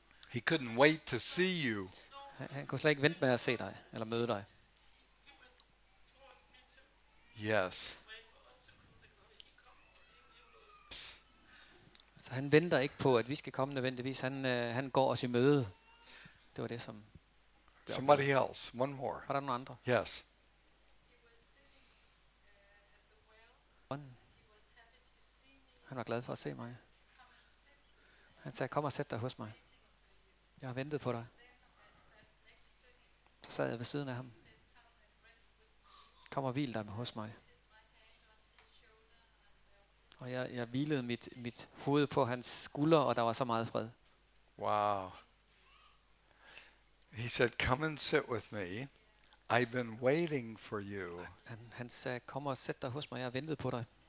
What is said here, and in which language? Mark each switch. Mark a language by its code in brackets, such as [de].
[en] He couldn't wait to see you. [da] Han kunne slet ikke vente med at se dig eller møde dig. [en] Yes. [da] Så han venter ikke på at vi skal komme nødvendigvis. Han går os i møde. Det var det som det [en] somebody var. Else. One more. [da] Var der nogen andre? [en] Yes. [da] Han var glad for at se mig. Han sagde, kom og sæt dig hos mig. Jeg har ventet på dig. Så sad jeg ved siden af ham. Kom og hvil dig med hos mig. Og jeg hvilede mit hoved på hans skulder, og der var så meget fred. [en] Wow. He said, come and sit with me. I've been waiting for you. [da] Han sagde, kom og sæt dig hos mig. Jeg har ventet på dig.